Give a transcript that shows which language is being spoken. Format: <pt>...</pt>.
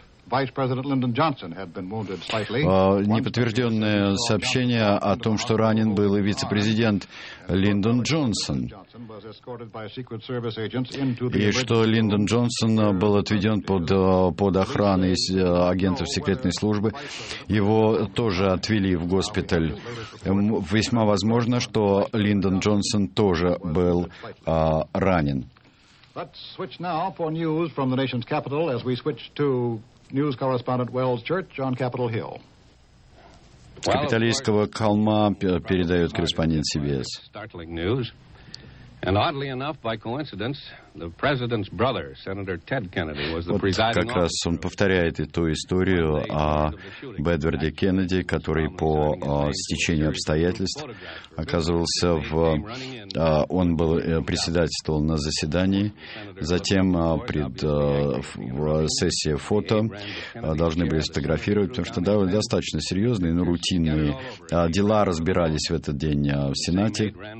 <ru>Не подтвержденное сообщение о том, что ранен был и вице-президент Линдон Джонсон, и что Линдон Джонсон был отведен под охраной агентов секретной службы. Его тоже отвели в госпиталь. Весьма возможно, что Линдон Джонсон тоже был ранен.</ru> <en>Let's switch now for news from the nation's capital as we switch to news correspondent Wells Church on Capitol Hill.</en> <ru>С капитолийского холма передает корреспондент CBS.</ru> <en>Startling news. And oddly enough, by coincidence, the president's brother, Senator Ted Kennedy, was the presiding officer.</en> <ru>Как раз он повторяет эту историю об Эдварде Кеннеди, который по стечению обстоятельств оказывался в... Он был председателем на заседании. Затем сессия фото должны были сфотографировать, потому что достаточно серьезные, но рутинные дела разбирались в этот день в Сенате.</ru>